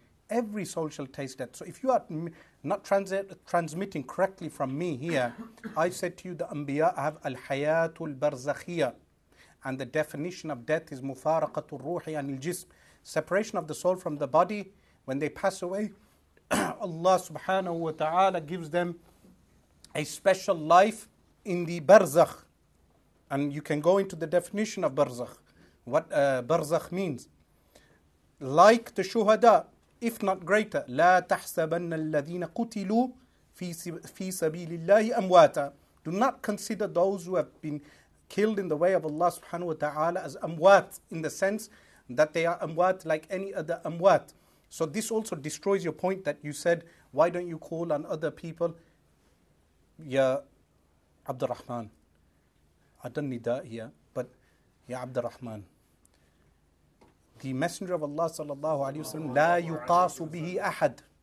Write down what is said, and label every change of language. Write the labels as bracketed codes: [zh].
[en] Every soul shall taste death. So if you are not transmitting correctly from me here, I said to you, the Anbiya have al-hayatul barzakhiyah, and the definition of death is [ar] mufaraqatul ruhi anil jism, [en] separation of the soul from the body. When they pass away, Allah subhanahu wa ta'ala gives them a special life in the barzakh. And you can go into the definition of barzakh, what barzakh means. Like the shuhada, if not greater. [ar] لا تحسبن الذين قتلوا في سبيل الله أمواتا. [en] Do not consider those who have been killed in the way of Allah subhanahu wa ta'ala as amwat, in the sense that they are amwat like any other amwat. So this also destroys your point that you said, why don't you call on other people? Ya Abdurrahman, I don't need that here, but Ya Abdurrahman, the Messenger of Allah sallallahu alayhi wa sallam, [ar] la yuqasu bihi ahad.